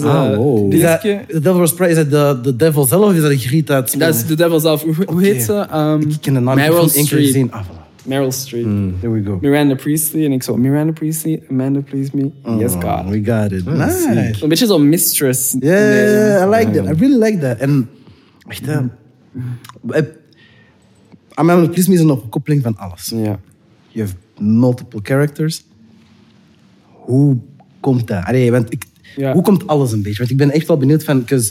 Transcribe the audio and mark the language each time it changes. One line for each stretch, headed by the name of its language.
Dutch: The Devil Wears Prada, is dat de devil zelf of is dat een griet uit? Dat is de devil zelf. Hoe heet ze? Ik ken de naam niet van één keer gezien. Meryl Streep.
English: There we go.
Dutch: Miranda Priestly. En ik zo, Miranda Priestly, Amanda Please Me.
English: Oh, yes, God. We got it. Nice.
Dutch: Een beetje zo'n mistress.
English: Yeah, I like that. I really like that.
Dutch: En echt, Amanda, please me is een opkoppeling van alles. Ja. Je hebt multiple characters. Hoe komt dat? Allee, want hoe komt alles een beetje? Want ik ben echt wel benieuwd van...